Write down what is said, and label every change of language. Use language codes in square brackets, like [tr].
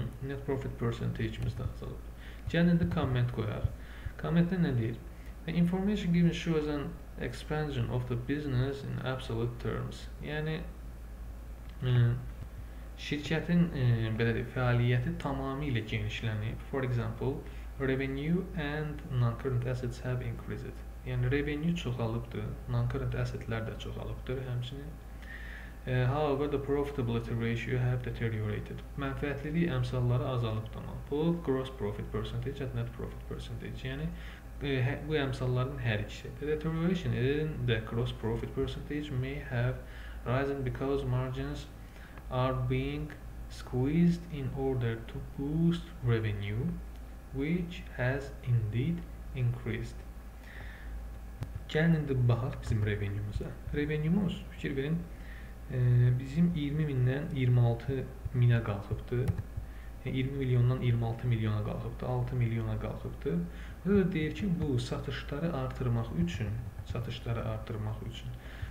[az] Net profit percentage-imiz də azalıb. Gəlin indi comment qoyaq. Comment-də nə deyir? [en] The information given shows an expansion of the business in absolute terms. Yəni [az] Şirkətin belə deyək, fəaliyyəti tamamilə genişlənib. [en] For example, revenue and non-current assets have increased. [az] Yəni revenue çoxalıbdır, non-current assetlər də çoxalıbdır həmçinin. [en] However, the profitability ratio have deteriorated. [az] Mənfəətliliyi əmsalları azalıb tamam. [en] Bu gross profit percentage and net profit percentage. [az] Yəni bu əmsalların hər ikisi. [en] The deterioration in the gross profit percentage may have risen because margins are being squeezed in order to boost revenue, which has indeed increased. [az] Gəlin indi baxaq bizim revenue-muza. Revenue-muz, fikir verin, bizim 20.000-dən 26.000-ə qalxıbdı. 20 milyondan 26 milyona qalxıbdı, 6 milyona qalxıbdı. Və də deyir ki, bu satışları artırmaq üçün, satışları artırmaq üçün.